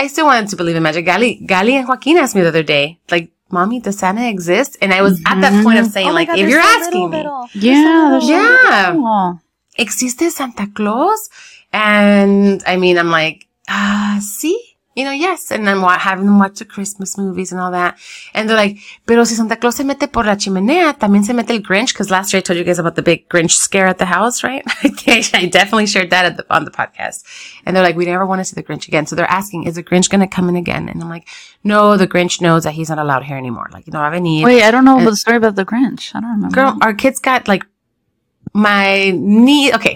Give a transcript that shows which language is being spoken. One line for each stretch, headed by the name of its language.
English: I still wanted to believe in magic. Gali and Joaquin asked me the other day, like, Mommy, does Santa exist? And I was mm-hmm. at that point of saying, oh like, God, if you're so asking little, me. Little. Yeah. So yeah.
Spanish: Existe Santa Claus?
English: And I mean, I'm like, sí. You know, yes. And I'm having them watch the Christmas movies and all that. And they're like,
Spanish: pero si Santa Claus se mete por la chimenea, también se mete el Grinch.
English: Cause last year I told you guys about the big Grinch scare at the house, right? I definitely shared that on the podcast. And they're like, we never want to see the Grinch again. So they're asking, is the Grinch going to come in again? And I'm like, no, the Grinch knows that he's not allowed here anymore. Like, you know, I don't know and, the story about the Grinch. I don't remember. Girl, our kids got like my knee. Okay.